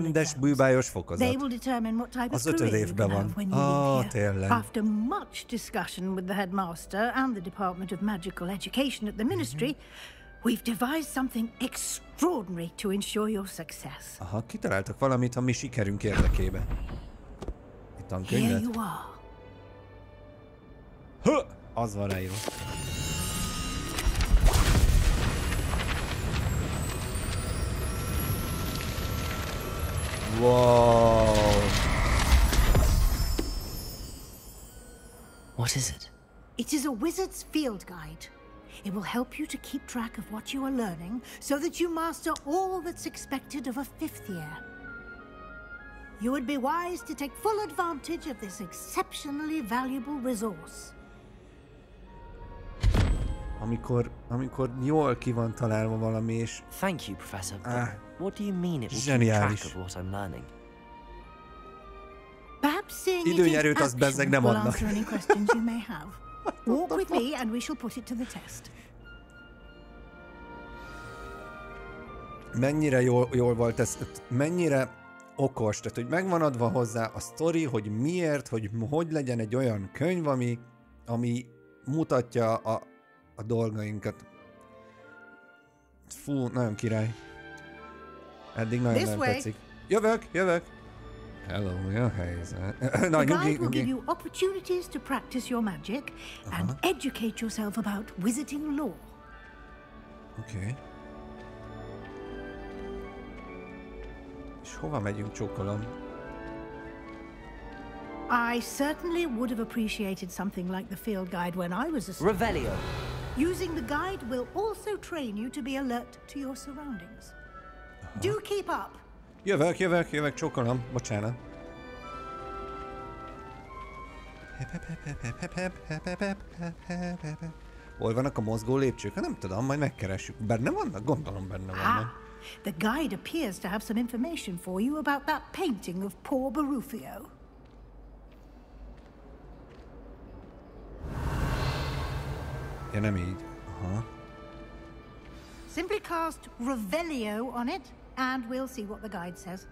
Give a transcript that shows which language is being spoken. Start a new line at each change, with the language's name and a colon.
Hungarian: Rendes bűbájos fokozat.
English: They will determine what type
Hungarian: az ötöd évben van. Tényleg.
English: After much discussion with the headmaster and the Department of Magical Education at the ministry, mm-hmm. we've devised something extraordinary to ensure your success.
Hungarian: Aha, kitaláltak valamit a mi sikerünk érdekébe. Itt a könyvet.
English: Here you are.
Hungarian: Az van rá jó. Wow.
English: What is it? It is a wizard's field guide. It will help you to keep track of what you are learning so that you master all that's expected of a fifth year. You would be wise to take full advantage of this exceptionally valuable resource.
Hungarian: Amikor jól ki van találva valami és...
English: Thank you, Professor. What do you mean it will keep track of what I'm learning? Perhaps seeing it in action will answer any questions you may have. Walk with me and we shall put it to the test.
Hungarian: Mennyire jól volt ez, mennyire okos, tehát hogy megvan adva hozzá a sztori, hogy miért, hogy legyen egy olyan könyv, ami mutatja a dolgainkat. Fú, nagyon király. Eddig nagyon nem tetszik. Jövök! Hello, mi a helyzet?
English: Na, the guide will give you opportunities to practice your magic and aha. educate yourself about wizarding lore. Okay.
Hungarian: És hova megyünk, csókolom?
English: I certainly would have appreciated something like the field guide when I was a student. Revelio! Using the guide will also train you to be alert to your surroundings. Do keep up.
Hungarian: Jövök, csókolom, bocsánat. Hol vannak a mozgó lépcsők? Nem tudom, majd megkeressük. Benne vannak? Gondolom, benne vannak.
English: The guide appears to have some information for you about that painting of poor Baruffio.
Hungarian: Ja, nem így. Aha.
English: Simply cast Revelio on it. And we'll see what the guide says.